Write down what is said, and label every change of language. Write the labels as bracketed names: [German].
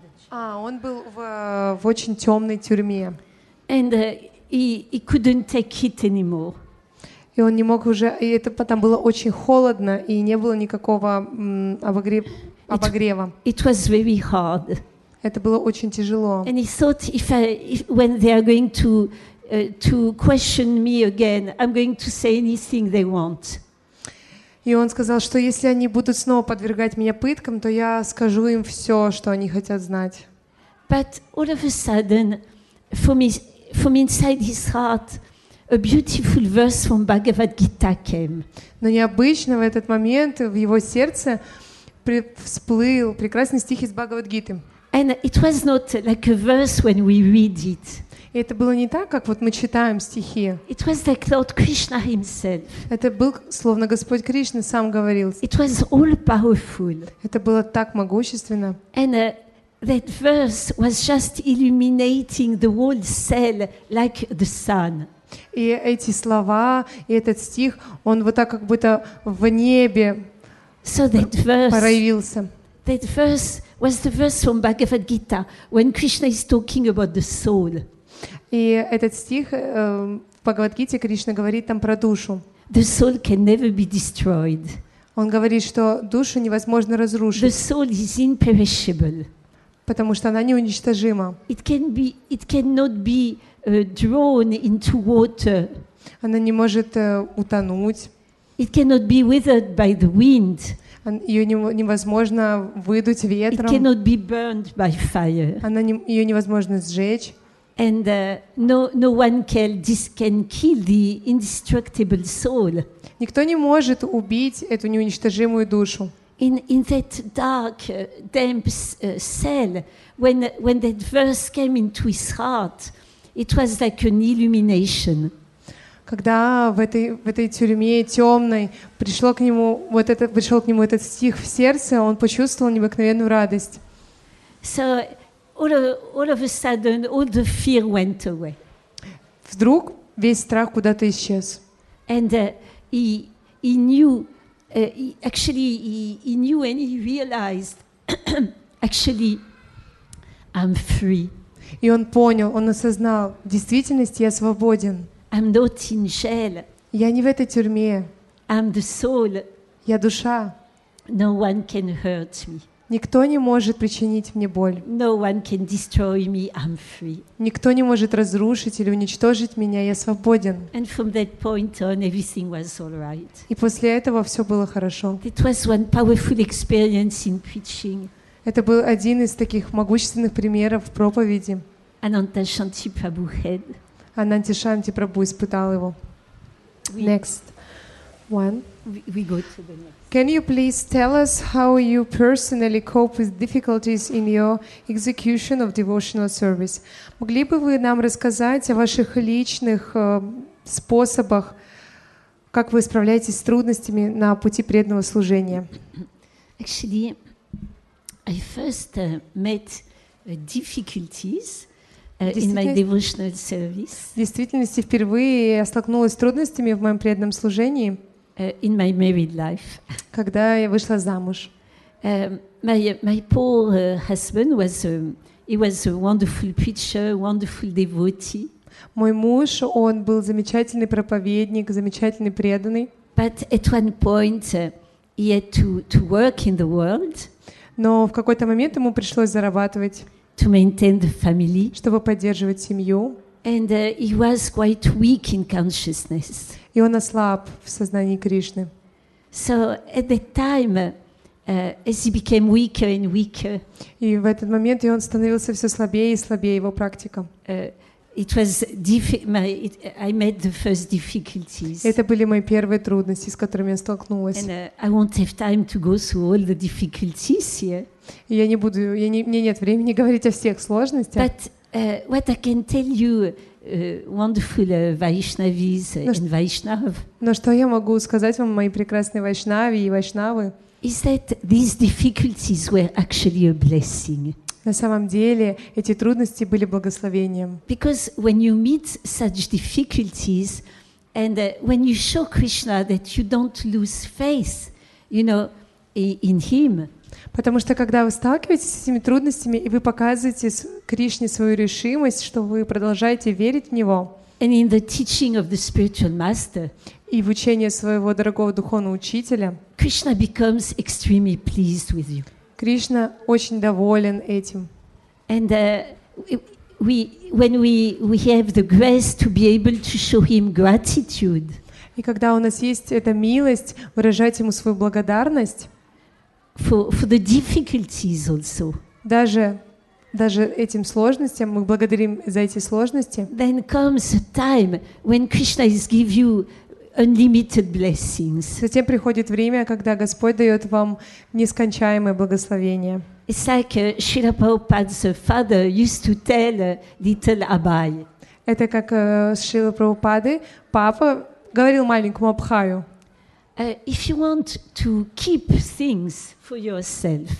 [Russian] Он был в очень темной тюрьме. [English] And he couldn't take it anymore. [Russian] И он не мог уже. И это потом было очень холодно, и не было никакого обогрева. [English] It was very hard. [Russian] Это было очень тяжело. [English] And he thought, when they are going to question me again, I'm going to say anything they want. [Russian] И он сказал, что если они будут снова подвергать меня пыткам, то я скажу им все, что они хотят знать. [English] But all of a sudden, from inside his heart, a beautiful verse from Bhagavad Gita came. [Russian] Но необычно в этот момент в его сердце всплыл прекрасный стих из Бхагавад-гиты. [English] And it was not like a verse when we read it. [Russian] И это было не так, как вот мы читаем стихи. [English] It was like Lord Krishna himself. [Russian] Это был словно Господь Кришна сам говорил. [English] It was all powerful. [Russian] Это было так могущественно. [English] And that verse was just illuminating the whole cell like the sun. [Russian] И эти слова, и этот стих, он вот так как будто в небе проявился. [English] That verse was the verse from Bhagavad Gita when Krishna is talking about the soul. [Russian] И этот стих в Бхагавад-гите Кришна говорит там про душу. [English] The soul can never be destroyed. [Russian] Он говорит, что душу невозможно разрушить. [English] The soul is imperishable. [Russian] Потому что она неуничтожима. [English] It can be, it cannot be drawn into water. [Russian] Она не может утонуть. [English] It cannot be withered by the wind. [Russian] Ее невозможно выдуть ветром. [English] It cannot be burned by fire. [Russian] Ее невозможно сжечь. [English] And no one can kill the indestructible soul. [Russian] Никто не может убить эту неуничтожимую душу. [English] In that dark, damp cell, when that verse came into his heart, it was like an illumination. [Russian] Когда в этой тюрьме темной пришел к нему этот стих в сердце, он почувствовал необыкновенную радость. [English] So all of a sudden, all the fear went away. [Russian] Вдруг весь страх куда-то исчез. [English] And he knew. He knew and he realized, actually, I'm free. [Russian] И он понял, он осознал, в действительности я свободен. [English] I'm not in jail. [Russian] Я не в этой тюрьме. [English] I'm the soul. [Russian] Я душа. [English] No one can hurt me. [Russian] Никто не может причинить мне боль. [English] No one can destroy me. I'm free. [Russian] Никто не может разрушить или уничтожить меня. Я свободен. [English] And from that point on, everything was all right. [Russian] И после этого все было хорошо. [English] It was one powerful experience in preaching. [Russian] Это был один из таких могущественных примеров в проповеди. [English] Ananta Shanti Prabhu had. [Russian] Ананта Шанти Прабу испытал его. [English] Next one. We go to the next. Can you please tell us how you personally cope with difficulties in your execution of devotional service? [Russian] Могли бы вы нам рассказать о ваших личных способах, как вы справляетесь с трудностями на пути преданного служения? [English] Actually, I first met difficulties in my devotional service. [Russian] В действительности, впервые я столкнулась с трудностями в моем преданном служении. [English] In my married life. [Russian] Когда я вышла замуж. [English] My poor husband was he was a wonderful preacher, wonderful devotee. [Russian] Мой муж, он был замечательный проповедник, замечательный преданный. [English] But at one point he had to work in the world. [Russian] Но в какой-то момент ему пришлось зарабатывать. [English] To maintain the family. [Russian] Чтобы поддерживать семью. [English] And he was quite weak in consciousness. [Russian] И он ослаб в сознании Кришны. [English] So at that time, as he became weaker and weaker. [Russian] И в этот момент и он становился все слабее и слабее его практика. [English] I met the first difficulties. [Russian] Это были мои первые трудности, с которыми я столкнулась. [English] And I won't have time to go through all the difficulties here. [Russian] Я не буду, я не, мне нет времени говорить о всех сложностях. [English] But what I can tell you, wonderful Vaishnavis and Vaishnav. [Russian] Но что я могу сказать вам, мои прекрасные Вайшнави и Вайшнавы? [English] Is that these difficulties were actually a blessing? [Russian] На самом деле эти трудности были благословением. [English] Because when you meet such difficulties and when you show Krishna that you don't lose faith, you know, in him. [Russian] Потому что когда вы сталкиваетесь с этими трудностями и вы показываете Кришне свою решимость, что вы продолжаете верить в него. [English] And in the teaching of the spiritual master. [Russian] И в учении своего дорогого духовного учителя. [English] Krishna becomes extremely pleased with you. [Russian] Кришна очень доволен этим. [English] And when we have the grace to be able to show him gratitude. [Russian] И когда у нас есть эта милость выражать ему свою благодарность [English] for the difficulties also. [Russian] Даже этим сложностям мы благодарим за эти сложности. [English] Then comes a time when Krishna is give you unlimited blessings. [Russian] Затем приходит время, когда Господь дает вам нескончаемое благословение. [English] It's like Srila Prabhupada's father used to tell little Abhay. [Russian] Это как Шрила Прабхупады папа говорил маленькому Абхаю. [English] If you want to keep things for yourself.